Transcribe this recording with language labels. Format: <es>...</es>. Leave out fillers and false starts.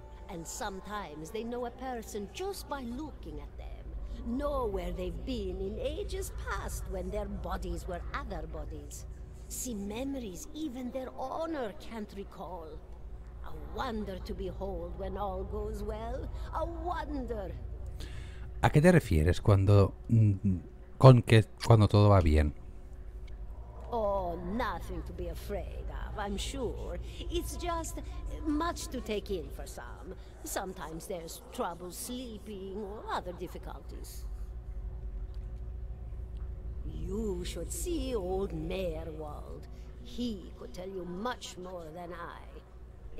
<en>And sometimes they know a person just by looking at them. Know where they've been in ages past when their bodies were other bodies. See memories even their honor can't recall. A wonder to behold when all goes well. A wonder.</en> <es>¿A qué te refieres cuando cuando todo va bien?</es> <en>Oh, nothing to be afraid of, I'm sure. It's just much to take in for some. Sometimes there's trouble sleeping or other difficulties. You should see old Meyerwald. He could tell you much more than I.</en>